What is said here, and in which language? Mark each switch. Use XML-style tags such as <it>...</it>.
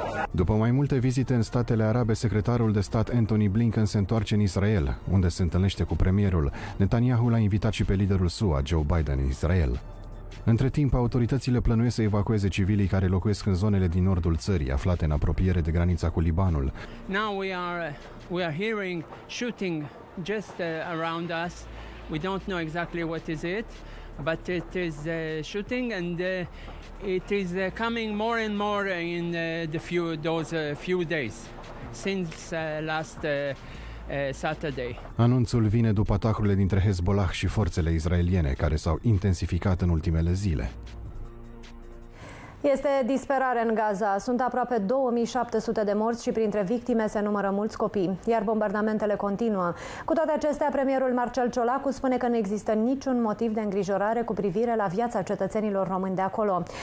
<ro>După mai multe vizite în Statele Arabe, secretarul de stat Anthony Blinken se întoarce în Israel, unde se întâlnește cu premierul. Netanyahu l-a invitat și pe liderul SUA, Joe Biden, în Israel. Între timp, autoritățile plănuiesc să evacueze civilii care locuiesc în zonele din nordul țării, aflate în apropiere de granița cu Libanul.</ro> <en>Now we are hearing shooting just around us. We don't know exactly what is it, but it is shooting and it is coming more and more in those few days since last Saturday.</en> <ro>Anunțul vine după atacurile dintre Hezbollah și forțele israeliene, care s-au intensificat în ultimele zile. Este disperare în Gaza. Sunt aproape 2700 de morți și printre victime se numără mulți copii, iar bombardamentele continuă. Cu toate acestea, premierul Marcel Ciolacu spune că nu există niciun motiv de îngrijorare cu privire la viața cetățenilor români de acolo.</ro>